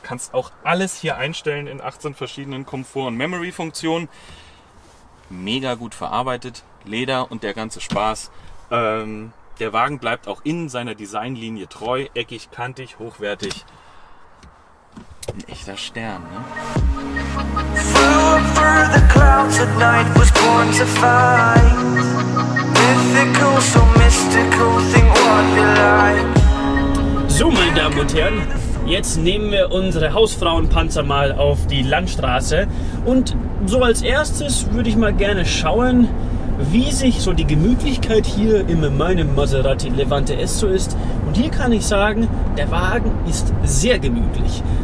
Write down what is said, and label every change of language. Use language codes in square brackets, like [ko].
[de] Kannst auch alles hier einstellen in 18 verschiedenen Komfort- und Memory-Funktionen. Mega gut verarbeitet, Leder und der ganze Spaß. Der Wagen bleibt auch in seiner Designlinie treu, eckig, kantig, hochwertig. Ein echter Stern, ne? [en] Flew up through the clouds at night, was born to fight. Mythical, so mystical, think what you like. [de] So, meine Damen und Herren, jetzt nehmen wir unsere Hausfrauenpanzer mal auf die Landstraße. Und so als erstes würde ich mal gerne schauen, wie sich so die Gemütlichkeit hier in meinem Maserati Levante Esso ist. Und hier kann ich sagen, der Wagen ist sehr gemütlich.